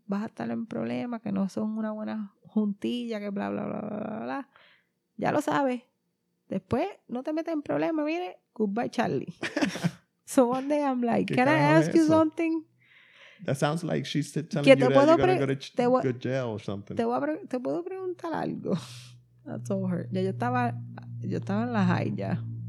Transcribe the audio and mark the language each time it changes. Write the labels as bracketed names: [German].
[Spanish] Vas a estar en problemas, que no son una buena juntilla, que bla, bla, bla, bla, bla. Ya lo sabes. Después, no te metes en problemas, mire. [English] Goodbye, Charlie. So one day I'm like, can I ask you something? That sounds like she's telling you that you're going to go to good jail or something. [Spanish] Te puedo preguntar algo. [English] I told her. [Spanish] Ya yo estaba en la high ya.